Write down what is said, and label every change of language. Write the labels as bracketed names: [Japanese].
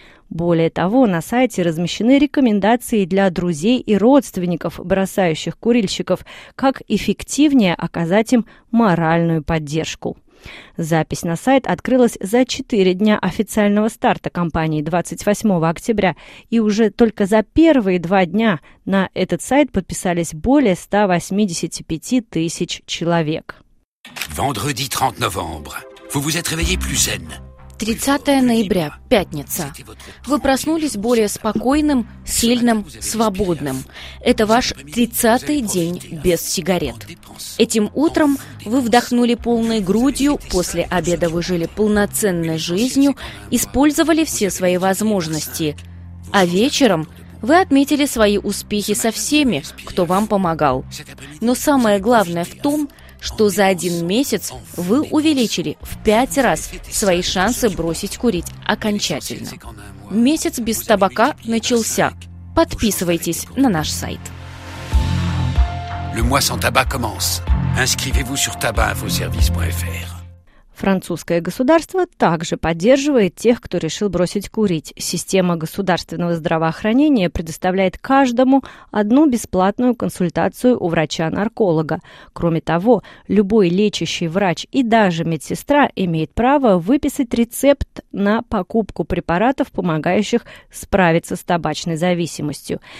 [Russian] Более того, на сайте размещены рекомендации для друзей и родственников бросающих курильщиков, как эффективнее оказать им моральную поддержку. Запись на сайт открылась за 4 дня официального старта кампании 28 октября, и уже только за первые 2 дня на этот сайт подписались более 185 тысяч человек. [French] Vendredi 30 novembre. Vous vous êtes réveillé plus zen. [Russian] 30 ноября, пятница. Вы проснулись более спокойным, сильным, свободным. Это ваш 30-й день без сигарет. Этим утром вы вдохнули полной грудью, после обеда вы жили полноценной жизнью, использовали все свои возможности. А вечером вы отметили свои успехи со всеми, кто вам помогал. Но самое главное в том, что за один месяц вы увеличили в 5 раз свои шансы бросить курить окончательно. Месяц без табака начался. Подписывайтесь на наш сайт. [French] Le mois sans tabac commence. Inscrivez-vous sur tabac-info-service.fr. [Russian] Французское государство также поддерживает тех, кто решил бросить курить. Система государственного здравоохранения предоставляет каждому одну бесплатную консультацию у врача-нарколога. Кроме того, любой лечащий врач и даже медсестра имеет право выписать рецепт на покупку препаратов, помогающих справиться с табачной зависимостью.